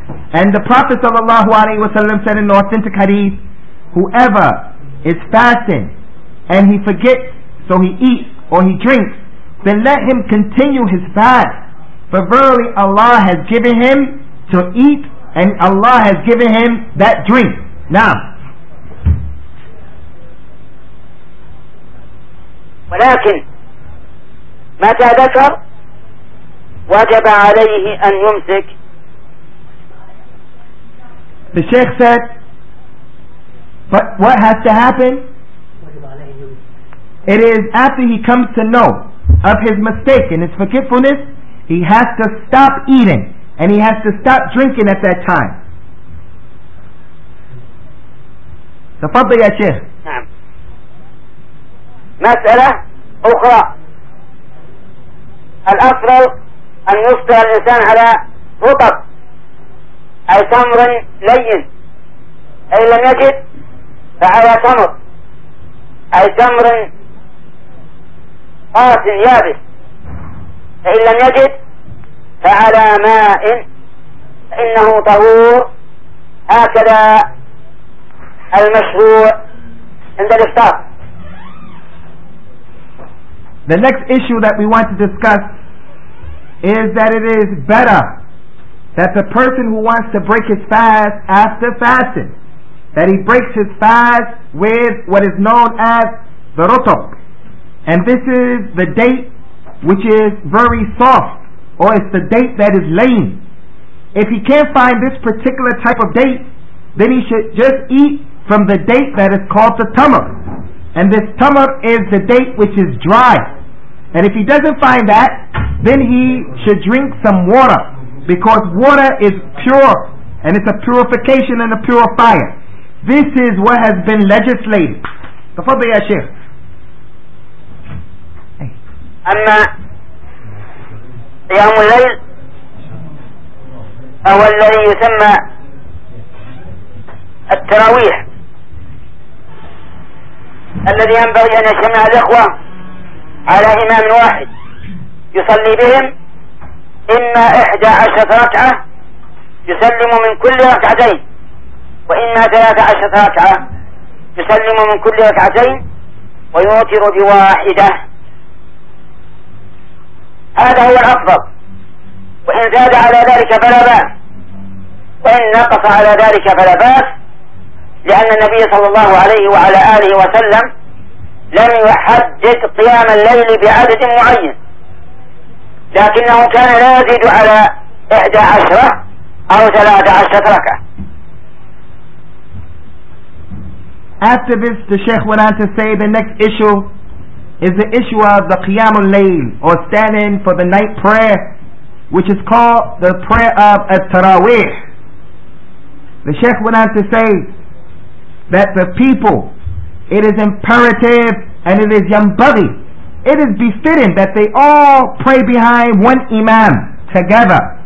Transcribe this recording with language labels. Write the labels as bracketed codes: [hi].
[en] and the Prophet of Allah said in the authentic hadith, whoever is fasting and he forgets, so he eats or he drinks, then let him continue his fast. For verily Allah has given him to eat and Allah has given him that drink. Now, [ar] ولكن متى ذكر وجب عليه أن يمسك. [en] The Sheikh said, but what has to happen? It is after he comes to know of his mistake and his forgetfulness, he has to stop eating and he has to stop drinking at that time. [ar] تفضل يا شيخ. نعم. مسألة أخرى. الأفضل أن يفطر الإنسان على رطب أي تمر لين, أي لم يجد فعلى تمر أي تمر قاس يابس, فإن لم يجد فعلى ماء فإنه طهور. هكذا المشروع عند الإفطار. [en] The next issue that we want to discuss is that it is better that the person who wants to break his fast after fasting, that he breaks his fast with what is known as the rutub. And this is the date which is very soft, or it's the date that is lame. If he can't find this particular type of date, then he should just eat from the date that is called the tamar. And this tamar is the date which is dry. And if he doesn't find that, then he should drink some water, because water is pure and it's a purification and a purifier. This is what has been legislated. [ar] Tafadda ya Sheikh. أما قيام الليل هو الذي يسمى التراويح الذي ينبغي أن يجتمع الإخوة على إمام واحد يصلي بهم إما 11 ركعة يسلم من كل ركعتين, وإما 13 ركعة يسلم من كل ركعتين ويوتر بواحدة. هذا هو الأفضل, وإن زاد على ذلك فلا بأس, وإن نقص على ذلك فلا بأس, لأن النبي صلى الله عليه وعلى آله وسلم لم يحدد قيام الليل بعدد معين, لكنه كان لا يزيد على 11 أو 13 ركعة. [en] After this, the Sheikh went on to say the next issue is the issue of the Qiyam al-Layl, or standing for the night prayer, which is called the prayer of At-Tarawih. The Sheikh went on to say that the people, it is imperative and it is yambaghi, it is befitting that they all pray behind one imam together.